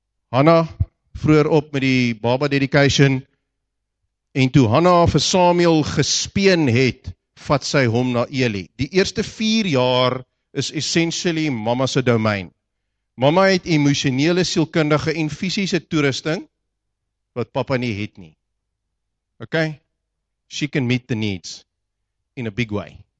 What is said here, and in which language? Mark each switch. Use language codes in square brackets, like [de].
[af] Hannah vroeër op met die baba dedication en toe Hannah vir Samuel gespeen het, vat sy hom na Eli. Die eerste 4 jaar is essentially mama se domein. Mama het emosionele, sielkundige en fisiese toerusting wat papa nie het nie. Okay? [en] She can meet the needs in a big way.